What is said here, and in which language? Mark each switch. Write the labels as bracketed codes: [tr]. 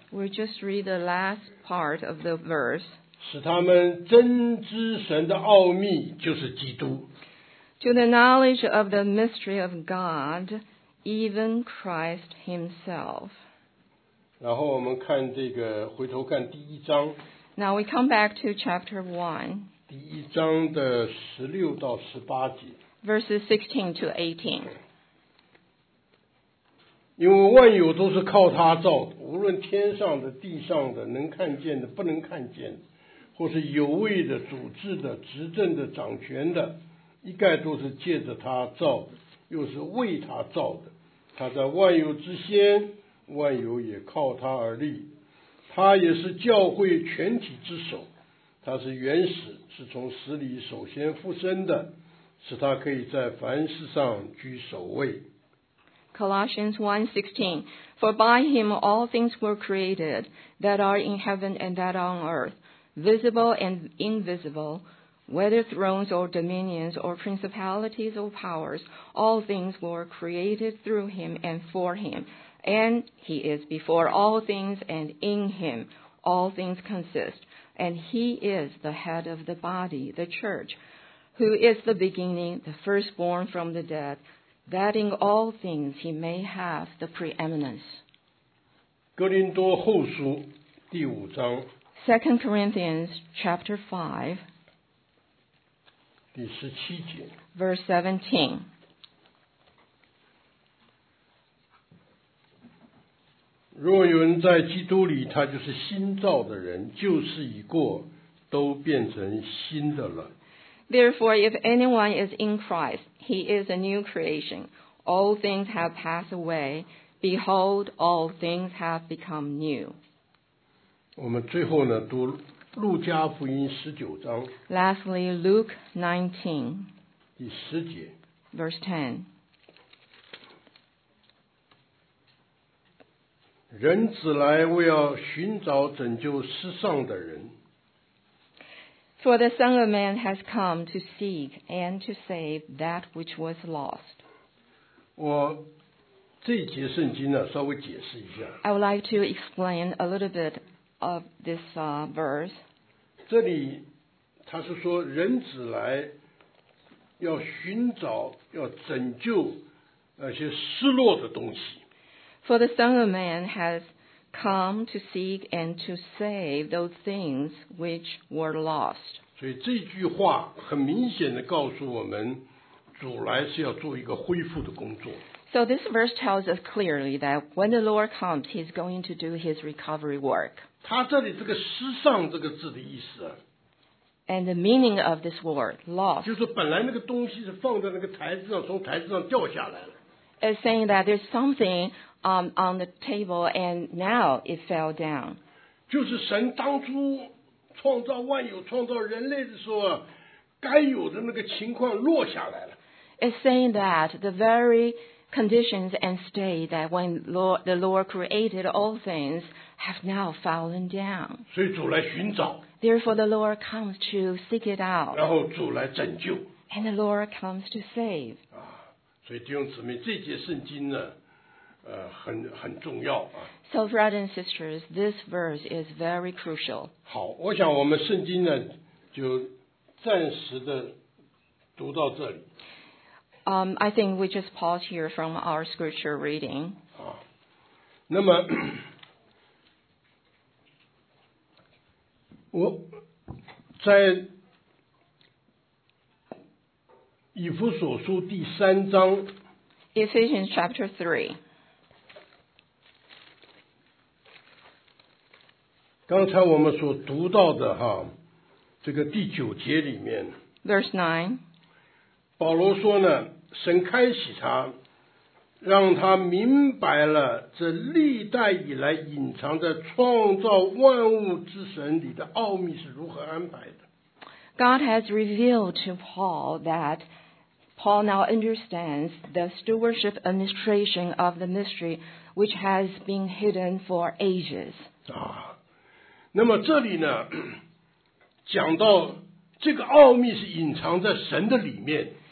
[en] We just read the last part of the verse. [zh] 使他们真知神的奥秘就是基督。 [en] To the knowledge of the mystery of God, even Christ himself. [zh] 然后我们看这个，回头看第一章。 [en] Now we come back to chapter 1. [zh] 第一章的十六到十八节。 [en] Verses 16-18. [zh] 因为万有都是靠他造的，无论天上的地上的，能看见的不能看见的，或是有位的、主治的、执政的、掌权的，一概都是借着他造的，又是为他造的。他在万有之先，万有也靠他而立。他也是教会全体之首，他是原始，是从死里首先复生的，使他可以在凡事上居首位。 [en] Colossians 1:16 For by him all things were created, that are in heaven and that are on earth, visible and invisible, whether thrones or dominions or principalities or powers, all things were created through him and for him. And he is before all things, and in him all things consist. And he is the head of the body, the church, who is the beginning, the firstborn from the dead, that in all things he may have the preeminence. [zh] 哥林多后书第五章 [en] 2 Corinthians chapter 5 [zh] 第十七节 [en] verse 17 [zh] 若有人在基督里，他就是新造的人，旧事已过，都变成新的了。 [en] Therefore, if anyone is in Christ, he is a new creation. All things have passed away. Behold, all things have become new. [zh] 我们最后呢，读《路加福音》十九章。 [en] Lastly, Luke 19. [zh] 第十节。 [en] Verse 10. [zh] 人子来为要寻找拯救失丧的人。 [en] For the Son of Man has come to seek and to save that which was lost. [zh] 我这一节圣经呢，稍微解释一下。 [en] I would like to explain a little bit of this verse. [zh] 这里他是说人子来要寻找要拯救那些失落的东西。 [en] For the Son of Man has come to seek and to save those things which were lost. [zh] 所以这句话很明显地告诉我们，主来是要做一个恢复的工作。 [en] So this verse tells us clearly that when the Lord comes, He's going to do His recovery work. [zh] 他这里这个失丧这个字的意思。 [en] And the meaning of this word, lost. [zh] 就是本来那个东西是放在那个台子上，从台子上掉下来了。 [en] It's saying that there's something on the table and now it fell down. [zh] 就是神当初创造万有创造人类的时候该有的那个情况落下来了。 [en] It's saying that the very conditions and state that when the Lord created all things have now fallen down. [zh] 所以主来寻找。 [en] Therefore the Lord comes to seek it out. [zh] 然后主来拯救。 [en] And the Lord comes to save. [zh] 所以弟兄姊妹，这节圣经呢，很重要啊。 [en] So, brothers and sisters, this verse is very crucial. [zh] 好，我想我们圣经呢，就暂时的读到这里。 [en] I think we just pause here from our scripture reading. [zh] 啊，那么我在以弗所书第三章 [en] Ephesians chapter 3 [zh] 刚才我们所读到的哈，这个第九节里面 [en] Verse 9 [zh] 保罗说呢，神开启他，让他明白了这历代以来隐藏在创造万物之神里的奥秘是如何安排的。 [en] God has revealed to Paul thatPaul now understands the stewardship administration of the mystery which has been hidden for ages. [zh] 啊，那么这里呢，讲到这个奥秘是隐藏在神的里面。